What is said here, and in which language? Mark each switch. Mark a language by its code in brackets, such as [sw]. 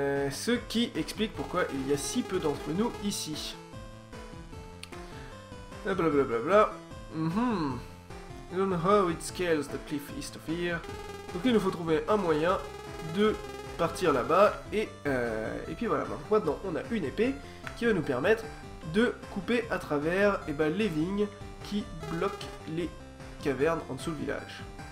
[fr] Ce qui explique pourquoi il y a si peu d'entre nous ici. Blablabla. [en] I don't know how it scales the cliff east of here. [fr] Donc, il nous faut trouver un moyen de partir là-bas. Et puis voilà, maintenant on a une épée qui va nous permettre de couper à travers les vignes qui bloquent les cavernes en dessous du village.